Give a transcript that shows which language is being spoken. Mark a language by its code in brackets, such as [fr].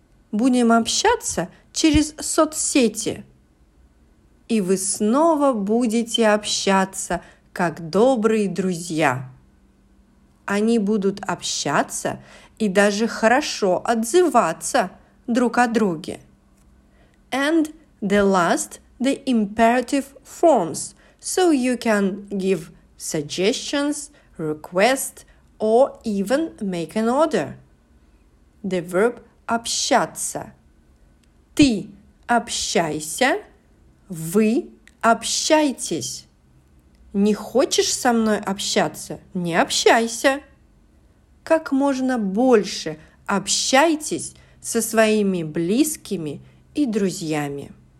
[ru] Будем общаться через соцсети. И вы снова будете общаться, как добрые друзья. Они будут общаться и даже хорошо отзываться друг о друге. [en] And the last, the imperative forms, so you can give suggestions, requests, or even make an order. the verb общаться. [ru] Ты общайся, вы общайтесь. Не хочешь со мной общаться? Не общайся. Как можно больше общайтесь со своими близкими и друзьями.